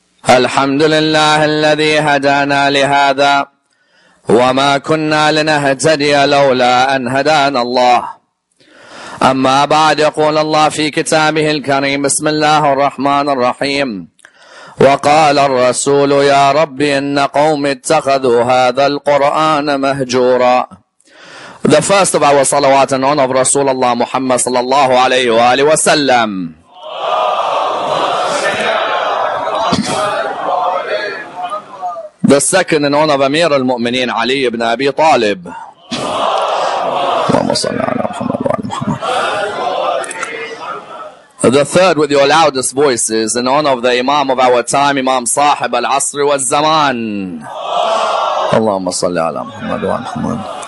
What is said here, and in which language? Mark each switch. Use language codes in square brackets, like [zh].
[ar] الحمد لله الذي هدانا لهذا وما كنا لنهتدي لولا أن هدانا الله. أما بعد، يقول الله في كتابه الكريم، بسم الله الرحمن الرحيم: وقال الرسول: يا ربي إن قومي اتخذوا هذا القرآن مهجورا. [en] The first of our salawat in honor of Rasulullah Muhammad صلى الله عليه وآله وسلم. The second in honor of Amir al-Mu'mineen Ali ibn Abi Talib. [ar] اللهم صل على محمد وعلى محمد. [en] The third with your loudest voices in honor of the Imam of our time, Imam Sahib al-Asr wa al-Zaman. [ar] اللهم صل على محمد وعلى محمد.